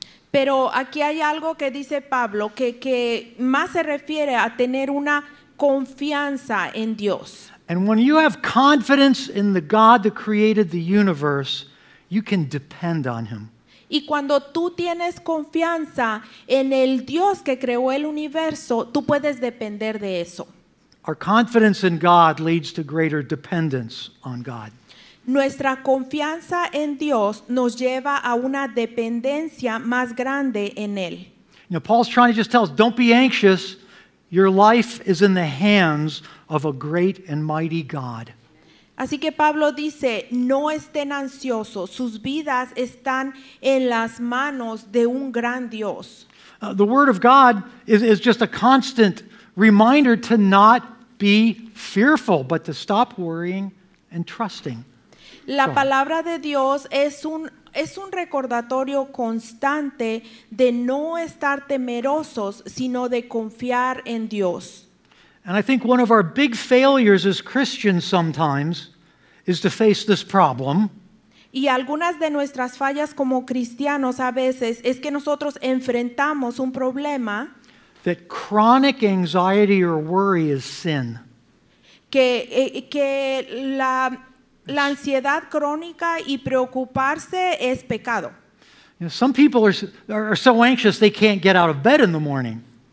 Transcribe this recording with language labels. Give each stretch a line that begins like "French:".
Spanish: Pero aquí hay algo que dice Pablo, que más se refiere a tener una confianza en Dios.
English: And when you have confidence in the God that created the universe, you can depend on Him.
Spanish: Y cuando tú tienes confianza en el Dios que creó el universo, tú puedes depender de eso.
English: Our confidence in God leads to greater dependence on God.
Spanish: Nuestra confianza en Dios nos lleva a una dependencia más grande en Él.
English: Now Paul's trying to just tell us, don't be anxious. Your life is in the hands of a great and mighty God.
Spanish: Así que Pablo dice, no estén ansiosos. Sus vidas están en las manos de un gran Dios.
English: The word of God is just a constant reminder to not be fearful, but to stop worrying and trusting.
Spanish: La palabra de Dios es un es un recordatorio constante de no estar temerosos, sino de confiar en Dios.
English: And I think one of our big failures as Christians sometimes is to face this problem.
Spanish: Y algunas de nuestras fallas como cristianos a veces es que nosotros enfrentamos un problema.
English: That chronic anxiety or worry is sin.
Spanish: Que la ansiedad crónica y preocuparse es pecado.
English: You know, some people are so anxious they can't get out of bed in the morning.